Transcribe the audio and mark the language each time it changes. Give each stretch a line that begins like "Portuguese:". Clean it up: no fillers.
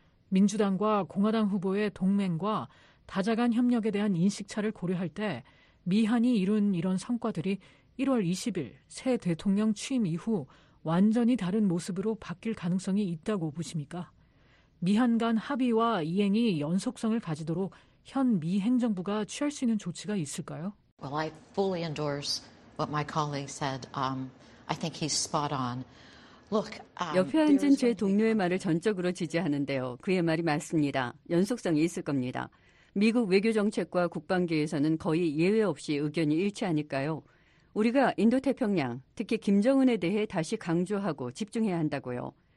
Korean: 민주당과 공화당 후보의 동맹과 다자간 협력에 대한 인식차를 고려할 때 미한이 이룬 이런 성과들이 1월 20일 새 대통령 취임 이후 완전히 다른 모습으로 바뀔 가능성이 있다고 보십니까? 미한 간 합의와 이행이 연속성을 가지도록 현 미 행정부가 취할 수 있는 조치가 있을까요?
English: Well, I fully endorse what my colleague said. I think he's spot on. Look,
Korean: 옆에 앉은 제 동료의 말을 전적으로 지지하는데요. 그의 말이 맞습니다. 연속성이 있을 겁니다. 미국 외교정책과 국방계에서는 거의 예외 없이 의견이 일치하니까요. 우리가 인도태평양, 특히 김정은에 대해 다시 강조하고 집중해야 한다고요.